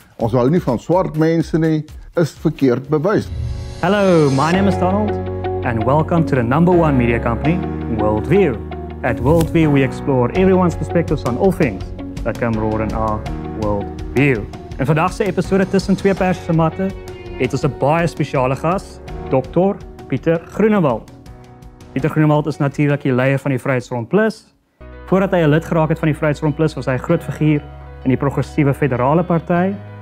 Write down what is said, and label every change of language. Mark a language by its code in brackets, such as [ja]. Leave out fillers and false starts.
[af] Ons hou nie van swart mense nie. Is verkeerd bewys. [en] Hello, my name is Donald and welcome to the number one media company, WorldView. At WorldView we explore everyone's perspectives on all things that come broaden our worldview. [af] In vandag se episode tussen twee perse se matte het ons 'n baie spesiale gas, Dr. Pieter Groenewald. Pieter Groenewald is natuurlik die leier van die Vryheidsfront Plus. Voordat hy 'n lid geraak het van die Vryheidsfront Plus, was hy 'n groot figuur in die progressiewe federale party.